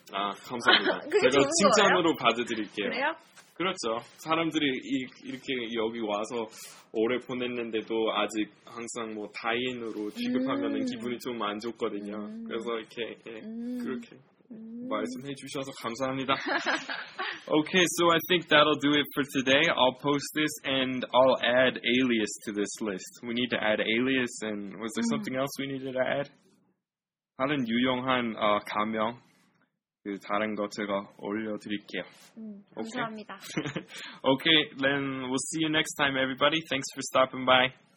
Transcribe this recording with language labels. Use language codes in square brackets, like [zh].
[ko] 아, 감사합니다. 제가 칭찬으로 거예요? 받아드릴게요. 그래요? 그렇죠. 사람들이 이렇게 여기 와서 오래 보냈는데도 아직 항상 뭐 타인으로 취급하면 기분이 좀 안 좋거든요. 그래서 그렇게 말씀해 주셔서 감사합니다. [en] Okay, so I think that'll do it for today. I'll post this and I'll add alias to this list. We need to add alias and was there something else we needed to add? [ko] 다른 유용한 가명. 그 다른 거 제가 올려드릴게요. 감사합니다. [en] Okay, then we'll see you next time, everybody. Thanks for stopping by.